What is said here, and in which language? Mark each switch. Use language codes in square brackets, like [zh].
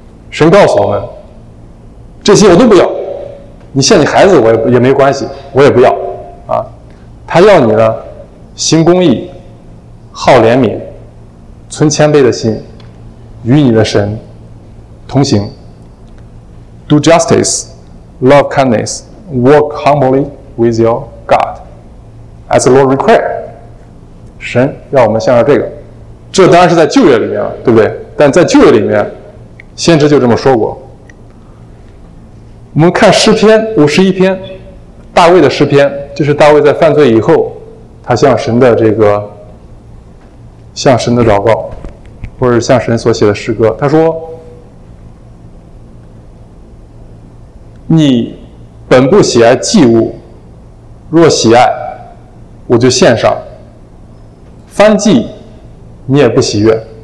[zh] 神告诉我们，这些我都不要，你像你孩子我 也没关系，我也不要啊。他要你呢，行公义，好怜悯，存谦卑的心，与你的神同行。 [en] Do justice, love kindness, walk humbly with your God, as the Lord requires. [zh] 神要我们向着这个，这当然是在旧约里面，对不对？但在旧约里面，先知就这么说过。我们看诗篇五十一篇，大卫的诗篇，就是大卫在犯罪以后，他向神的这个，向神的祷告，或者向神所写的诗歌，他说：“你本不喜爱祭物，若喜爱，我就献上；燔祭，你也不喜悦。